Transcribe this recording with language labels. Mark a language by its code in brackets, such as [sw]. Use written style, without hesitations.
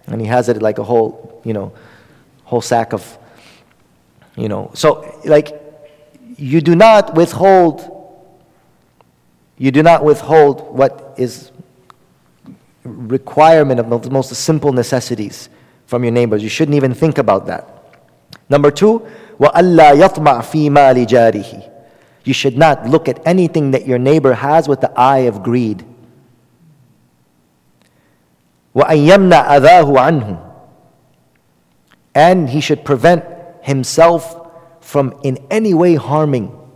[en] And he has it like a whole, you know, whole sack of, you know. So, like, you do not withhold what is requirement of the most simple necessities from your neighbors. You shouldn't even think about that. Number two, [ar] وَأَلَّا يَطْمَعْ فِي مَالِ جَارِهِ. [en] You should not look at anything that your neighbor has with the eye of greed. [ar] وَأَنْ يَمْنَ أَذَاهُ عَنْهُ. [en] And he should prevent himself from in any way harming.